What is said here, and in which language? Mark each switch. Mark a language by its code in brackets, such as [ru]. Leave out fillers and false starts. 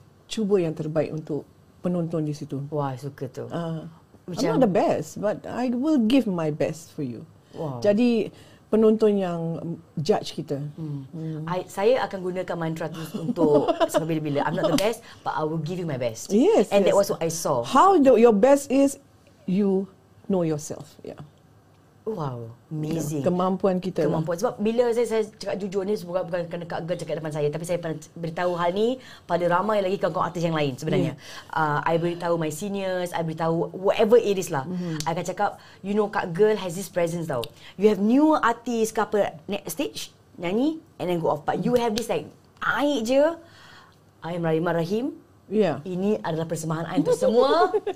[ms] Cuba yang terbaik untuk penonton di situ. Wah, suka tu. [en] I'm not the best, but I will give my best for you. Wow. [ms] Jadi, penonton yang judge kita. Saya akan gunakan mantra tu untuk sampai bila-bila. [en] I'm not the best, but I will give you my best. Yes. And that was what I saw. How your best is, you know yourself. Yeah. Wow, amazing. [ms] Kemampuan kita. Kemampuan. Sebab bila saya cakap jujur ni, bukan kerana Kak Girl cakap depan saya, tapi saya pernah beritahu hal ni pada ramai lagi kawan-kawan artis yang lain sebenarnya. Yeah. [en] I beritahu my seniors, I beritahu whatever it is lah. Mm-hmm. [ms] I akan cakap, [en] you know, Kak Girl has this presence tau. You have new artist [ms] ke apa, [en] next stage, nyanyi, and then go off. But you have this like, air je, I am Rahimah Rahim. Yeah. [ms] Ini adalah persembahan I untuk semua.